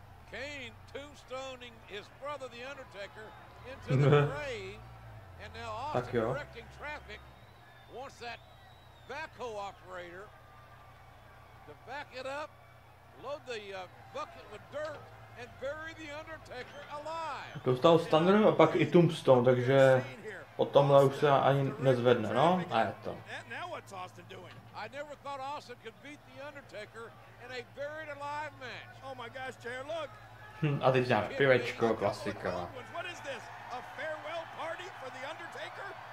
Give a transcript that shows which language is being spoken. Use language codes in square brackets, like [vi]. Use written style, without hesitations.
[en] Kane tombstoning his brother, the Undertaker, into the grave, and now Austin directing traffic wants that backhoe operator to back it up, load the bucket with dirt, and bury the Undertaker alive. [cs] Dostal Stunner a pak i Tombstone, takže o tomhle už se ani nezvedne, no? A je to. [en] Now what's Austin doing? I never thought Austin could beat the Undertaker in a buried alive match. Oh my gosh, Chair, look. [cs] A teď nějak pivečko, klasika. [en] What is this? A farewell party for the Undertaker?